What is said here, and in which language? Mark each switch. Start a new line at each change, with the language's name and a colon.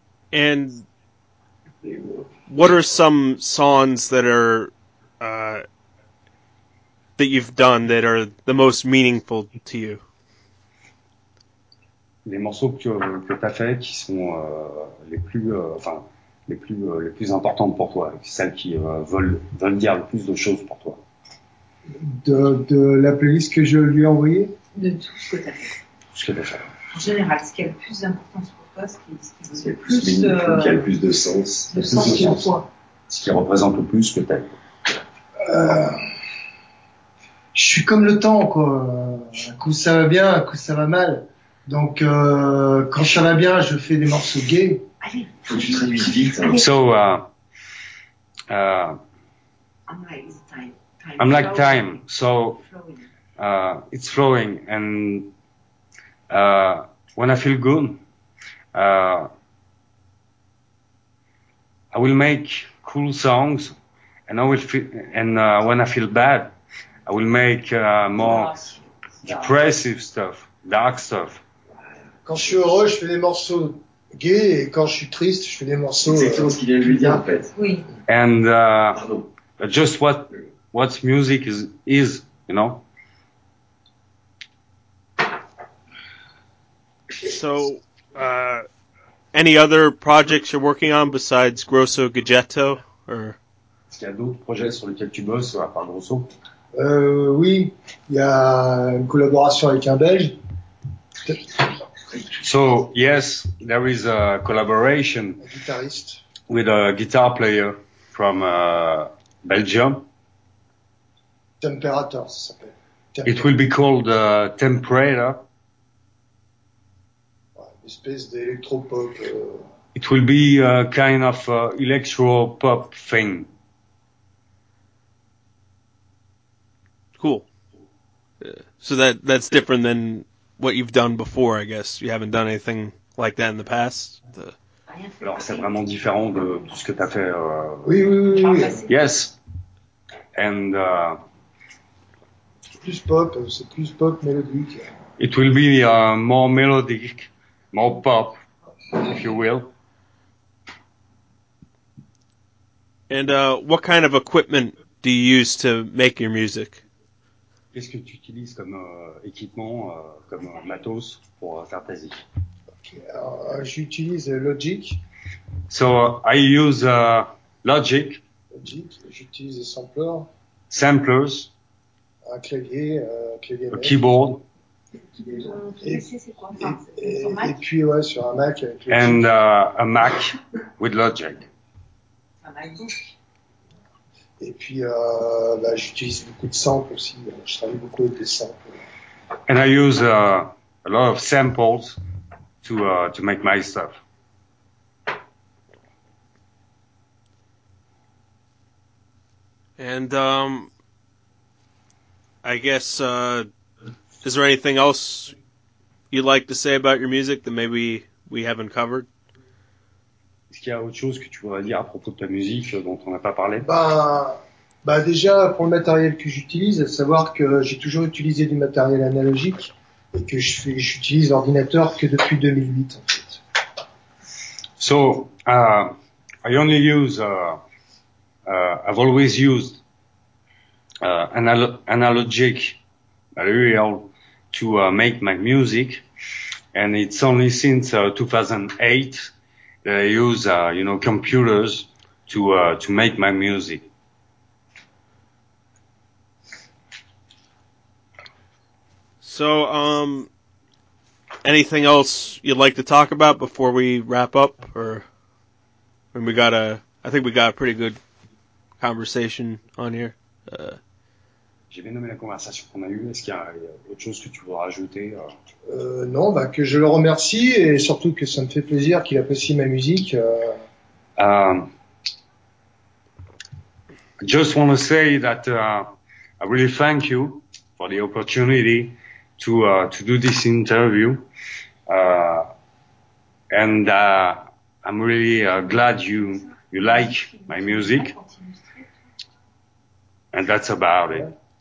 English: And what are some songs that are that you've done that are the most meaningful to you?
French: Les morceaux que t'as fait qui sont les plus importantes pour toi, celles qui veulent dire le plus de choses pour toi. De la playlist que je lui ai envoyée. De tout ce que t'as fait. Tout ce que t'as fait. En général, ce qui a le plus d'importance pour toi, ce qui a le plus de sens. De sens pour toi. Ce qui représente le plus que t'as. Je suis comme le temps, quoi. Un coup ça va bien, un coup ça va mal. Donc, quand ça va bien, je fais des morceaux gays. Allez. Faut que tu traduis vite. Hein.
English: So, I'm like time, so it's flowing, and when I feel good, I will make cool songs, and when I feel bad, I will make more depressive stuff, dark stuff.
French: Quand je suis heureux, je fais des morceaux gays, et quand je suis triste, je fais des morceaux... C'est exactement ce qu'il vient de lui dire, en fait. Oui.
English: And just what... What music is, you know? So, any other projects you're working on besides Grosso Gadgetto, or?
French: Est-ce qu'il y a d'autres projets sur lesquels tu bosses à part Grosso? Oui, il y a une collaboration avec un Belge.
English: So, yes, there is a collaboration with a guitar player from Belgium.
French: Temperator, ça s'appelle.
English: It will be called Temperator.
French: Ouais, une espèce d'électropop.
English: It will be a kind of electropop thing. Cool. Yeah. So that's different than what you've done before, I guess. You haven't done anything like that in the past.
French: Alors, c'est vraiment différent de tout ce que t'as fait. Oui.
English: Yes. And...
French: C'est plus pop mélodique.
English: It will be more melodic, more pop, if you will. And what kind of equipment do you use to make your music?
French: Qu'est-ce que tu utilises comme équipement, comme matos pour faire ta musique? Okay, j'utilise Logic.
English: So I use Logic.
French: Logic, j'utilise des samplers.
English: Samplers.
French: Un clavier
English: un keyboard.
French: Et puis, ouais, sur un Mac. Avec
English: Logic. And a Mac with Logic.
French: Un MacBook. Et puis, j'utilise beaucoup de samples aussi. Je travaille beaucoup avec des samples.
English: And I use a lot of samples to make my stuff. And, I guess, is there anything else you'd like to say about your music that maybe we haven't covered?
French: Est-ce qu'il y a autre chose que tu voudrais dire à propos de ta musique dont on n'a pas parlé? Bah déjà, pour le matériel que j'utilise, à savoir que j'ai toujours utilisé du matériel analogique et que j'utilise l'ordinateur que depuis 2008, en fait.
English: So, I only use, I've always used analogic material to make my music, and it's only since 2008 that I use, you know, computers to make my music. So, anything else you'd like to talk about before we wrap up? I think we got a pretty good conversation on here.
French: J'ai bien aimé la conversation qu'on a eue. Est-ce qu'il y a autre chose que tu voudrais ajouter? Non, bah, que je le remercie et surtout que ça me fait plaisir qu'il apprécie ma musique.
English: I just want to say that I really thank you for the opportunity to do this interview, I'm really glad you like my music, and that's about it.